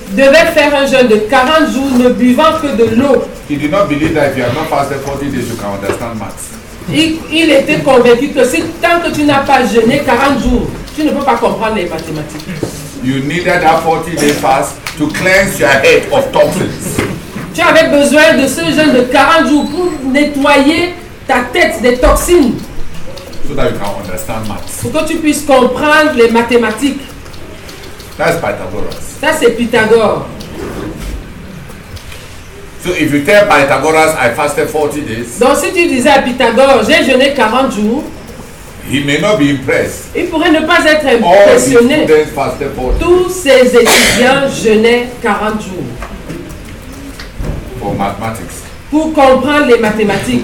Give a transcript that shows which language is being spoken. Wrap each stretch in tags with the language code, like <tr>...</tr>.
<fr>Devait faire un jeûne de 40 jours, ne buvant que de l'eau.</fr> <en>He did not believe that if you have not fasted 40 days, you can understand maths.</en> <fr>Il était convaincu que si tant que tu n'as pas jeûné 40 jours, tu ne peux pas comprendre les mathématiques.</fr> <en>You needed that 40-day fast to cleanse your head of toxins.</en> <fr>Tu avais besoin de ce jeûne de 40 jours pour nettoyer ta tête des toxines.</fr> <en>So that you can understand maths.</en> <fr>Pour que tu puisses comprendre les mathématiques.</fr> <en>That's Pythagoras.</en> <fr>Ça c'est Pythagore.</fr> <en>So if you tell Pythagoras I fasted 40 days.</en> <fr>Donc si tu disais à Pythagore j'ai jeûné 40 jours.</fr> <en>He may not be impressed.</en> <fr>Il pourrait ne pas être impressionné. Tous ses étudiants jeûnaient 40 jours.</fr> <en>For mathematics.</en> <fr>Pour comprendre les mathématiques.</fr>